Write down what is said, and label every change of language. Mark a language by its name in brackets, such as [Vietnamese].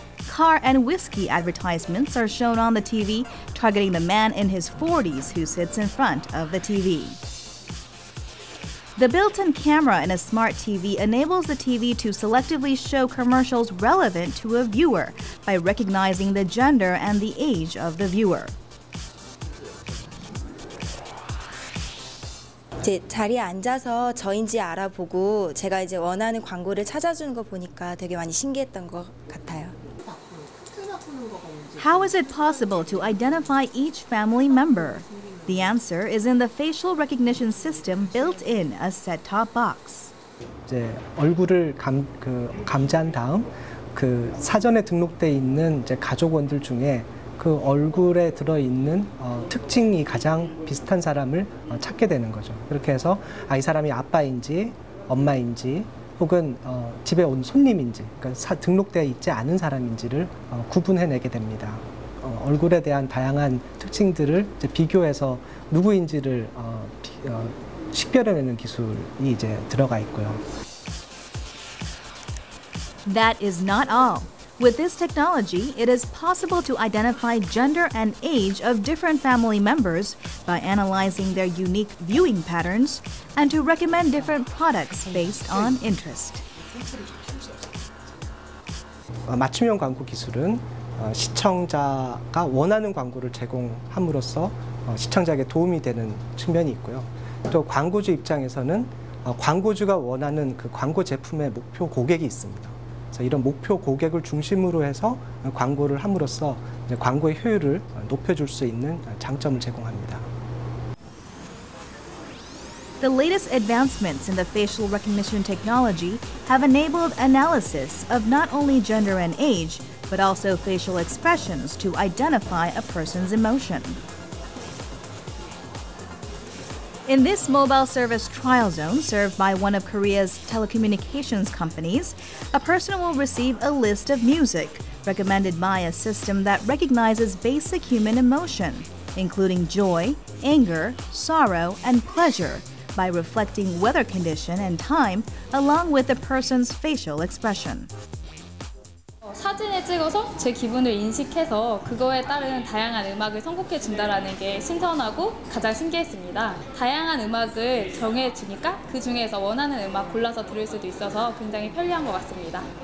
[English] Car and whiskey advertisements are shown on the TV, targeting the man in his 40s who sits in front of the TV. The built-in camera in a smart TV enables the TV to selectively show commercials relevant to a viewer by recognizing the gender and the age of the viewer. [Korean] 제 자리에 앉아서 저인지 알아보고 제가 이제 원하는 광고를 찾아주는 거 보니까 되게 많이 신기했던 것 같아요. [English] How is it possible to identify each family member? The answer is in the facial recognition system built in a set-top box. [Korean] 이제 얼굴을 감지한 다음 그 사전에 등록돼 있는 이제 가족원들 중에 그 얼굴에 들어 있는 특징이 가장 비슷한 사람을 찾게 되는 거죠. 그렇게 해서 이 사람이 아빠인지 엄마인지 혹은 집에 온 손님인지 그러니까 등록되어 있지 않은 사람인지를 구분해내게 됩니다. 얼굴에 대한 다양한 특징들을 이제 비교해서 누구인지를 식별해내는 기술이 이제 들어가 있고요. [English] That is not all. With this technology, it is possible to identify gender and age of different family members by analyzing their unique viewing patterns and to recommend different products based on interest. [Korean] 맞춤형 광고 기술은 시청자가 원하는 광고를 제공함으로써 시청자에게 도움이 되는 측면이 있고요. 또 광고주 입장에서는 광고주가 원하는 그 광고 제품의 목표 고객이 있습니다. 이런 목표 고객을 중심으로 해서 광고를 함으로써 이제 광고의 효율을 높여줄 수 있는 장점을 제공합니다. [English] The latest advancements in the facial recognition technology have enabled analysis of not only gender and age, but also facial expressions to identify a person's emotion. In this mobile service trial zone served by one of Korea's telecommunications companies, a person will receive a list of music recommended by a system that recognizes basic human emotion, including joy, anger, sorrow, and pleasure, by reflecting weather condition and time along with the person's facial expression. [Korean] 사진을 찍어서 제 기분을 인식해서 그거에 따른 다양한 음악을 선곡해 준다라는 게 신선하고 가장 신기했습니다. 다양한 음악을 정해 주니까 그 중에서 원하는 음악 골라서 들을 수도 있어서 굉장히 편리한 것 같습니다.